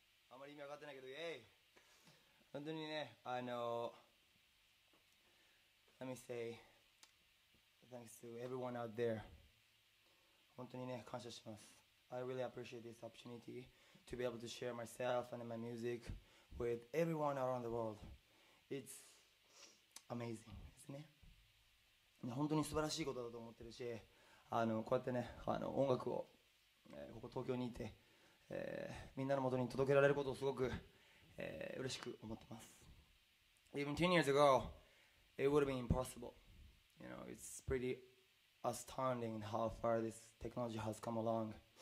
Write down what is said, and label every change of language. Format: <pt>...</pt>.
<ja>あまり意味わかってないけどイエイ。本当にね、</ja> <en>Let me say thanks to everyone out there.</en> <ja>本当にね、感謝します。</ja> <en>I really appreciate this opportunity to be able to share myself and my music with everyone around the world. It's amazing, isn't it?</en> <ja>本当に素晴らしいことだと思ってるし、こうやってね、音楽を、ここ東京にいて、みんなの元に届けられることをすごく、嬉しく思ってます。</ja> <en>Even 10 years ago, it would have been impossible. You know, it's pretty... astounding how far this technology has come along.</en>